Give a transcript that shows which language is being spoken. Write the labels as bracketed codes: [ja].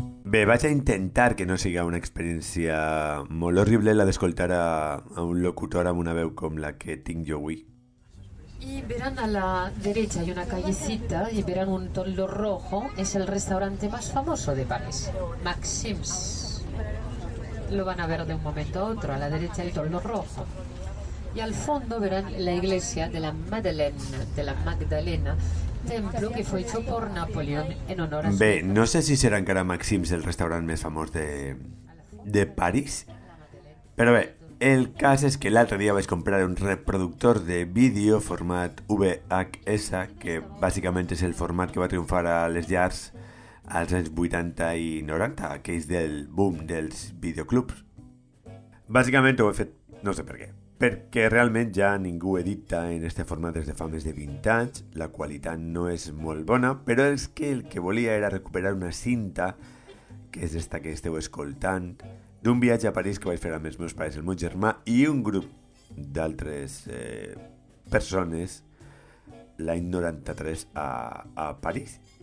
[ca] Bé, vaig a intentar que no siga una experiència molt horrible la d'escoltar a un locutor amb una veu com la que tinc jo avui. [es] Y verán a la derecha, hay una callecita, y verán un toldo rojo. Es el restaurante más famoso de París, Maxim's. Lo van a ver de un momento a otro, a la derecha el toldo rojo. Y al fondo verán la iglesia de la Madeleine, de la Magdalena, templo que fue hecho por Napoleón en honor a su... Bé, no sé si será encara Maxim's el restaurante más famoso de París, pero bé. [ca] El cas és que l'altre dia vaig comprar un reproductor de vídeo format VHS, que bàsicament és el format que va triomfar a les llars als anys 80 i 90, aquells del boom dels videoclubs. Bàsicament ho he fet, no sé per què, perquè realment ja ningú edita en este format des de fa més de 20 anys, la qualitat no és molt bona, però és que el que volia era recuperar una cinta, que és esta que esteu escoltant, d'un viatge a París que vaig fer amb els meus pares, el meu germà i un grup d'altres persones l'any 93 a París.